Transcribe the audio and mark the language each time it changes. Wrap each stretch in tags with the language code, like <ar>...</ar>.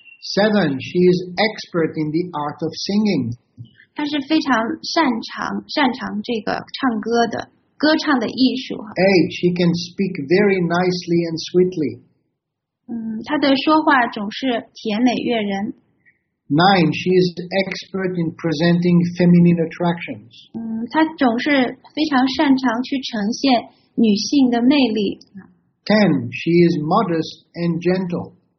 <en>Seven, she is expert in the art of singing.</en> <zh>她是非常擅长这个唱歌的歌唱的艺术。</zh> <en>Eight, she can speak very nicely and sweetly.</en> <zh>她的说话总是甜美悦人。</zh> <en>Nine, she is expert in presenting feminine attractions.</en> <zh>她总是非常擅长去呈现女性的魅力。</zh> <en>Ten, she is modest and gentle.</en>